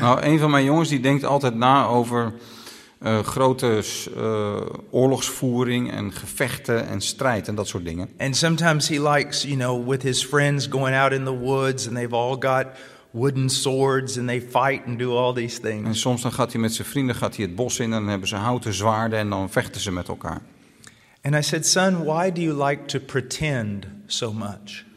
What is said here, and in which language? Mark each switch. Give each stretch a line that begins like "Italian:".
Dutch: Nou, een van mijn jongens die denkt altijd na over grote oorlogsvoering en gevechten en strijd en dat soort dingen.
English: And sometimes he likes, you know, with his friends going out in the woods and they've all got wooden swords and they fight and do all these things.
Dutch: En soms dan gaat hij met zijn vrienden gaat hij het bos in en dan hebben ze houten zwaarden en dan vechten ze met elkaar.
English: And I said, son, why do you like to pretend so much?